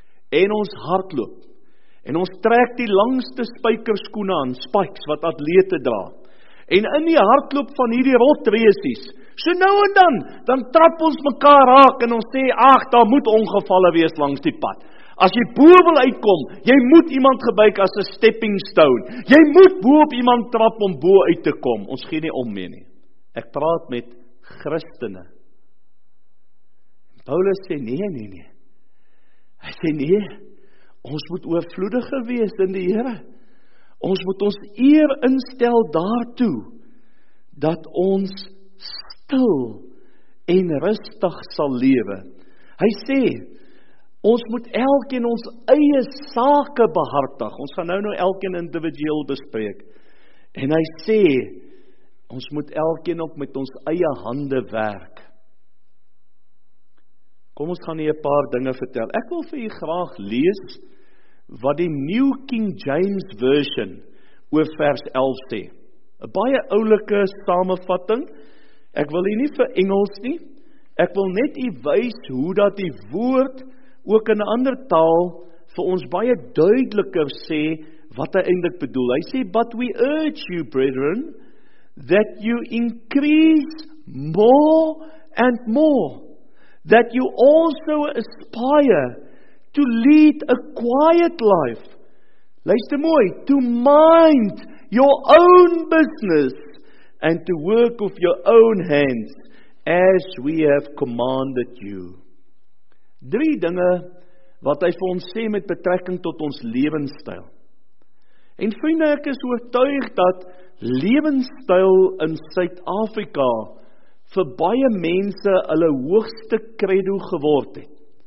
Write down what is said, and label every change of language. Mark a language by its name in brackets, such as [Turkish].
[Afrikaans] En ons hardloop. En ons trek die langste spykerskoene aan, spikes wat atlete dra. En in die hardloop van hierdie rotreesies, so nou en dan, dan trap ons mekaar raak en ons sê, ag, daar moet ongevalle wees langs die pad. As jy bo wil uitkom, jy moet iemand gebruik as 'n stepping stone. Jy moet bo op iemand trap om bo uit te kom. Ons gee nie om mee nie. Ek praat met Christene. Paulus sê, nee. Hy sê, nee, ons moet oorvloediger wees in die Here. Ons moet ons eer instel daartoe dat ons stil en rustig sal lewe. Hy sê, ons moet elkeen ons eie sake behartig. Ons gaan nou elkeen individueel bespreek. En hy sê, ons moet elkeen ook met ons eie hande werk. Kom, ons gaan hier 'n paar dinge vertel. Ek wil vir u graag lees wat die New King James Version oor vers 11 sê. 'N Baie oulike samenvatting. Ek wil u nie vir Engels nie. Ek wil net u wys hoe dat die woord ook in 'n ander taal vir ons baie duideliker sê wat hy eintlik bedoel. [English] Hy sê, "But we urge you, brethren, that you increase more and more, that you also aspire to lead a quiet life." [Afrikaans] Luister mooi, [English] "to mind your own business and to work with your own hands as we have commanded you." [Afrikaans] Drie dinge wat hy vir ons sê met betrekking tot ons lewenstyl. En vriende, ek is oortuig dat lewenstyl in Suid-Afrika vir baie mense hulle hoogste credo geword het.